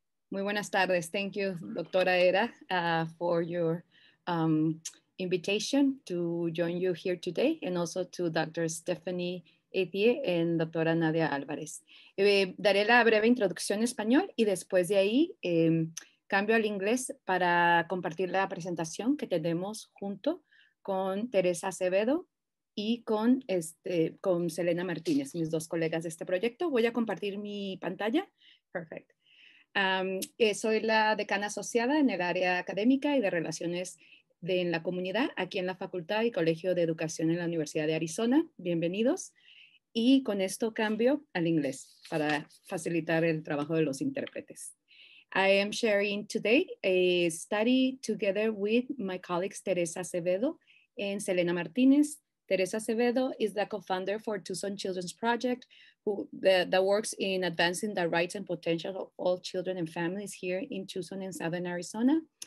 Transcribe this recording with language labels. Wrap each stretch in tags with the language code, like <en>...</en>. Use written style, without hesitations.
<es>Muy buenas tardes.</es> <en>Thank you, Doctora Etta, for your invitation to join you here today, and also to Dr. Stephanie Etier and Doctora Nadia Alvarez.</en> <es>Daré la breve introducción en español y después de ahí cambio al inglés para compartir la presentación que tenemos junto con Teresa Acevedo y con Celena Martínez, mis dos colegas de este proyecto. Voy a compartir mi pantalla. Perfect. Soy la decana asociada en el área académica y de relaciones en la comunidad aquí en la Facultad y Colegio de Educación en la Universidad de Arizona. Bienvenidos. Y con esto cambio al inglés para facilitar el trabajo de los intérpretes.</es> <en>I am sharing today a study together with my colleagues Teresa Acevedo and Celena Martinez. Teresa Acevedo is the co-founder for Tucson Children's Project, that works in advancing the rights and potential of all children and families here in Tucson and Southern Arizona.</en>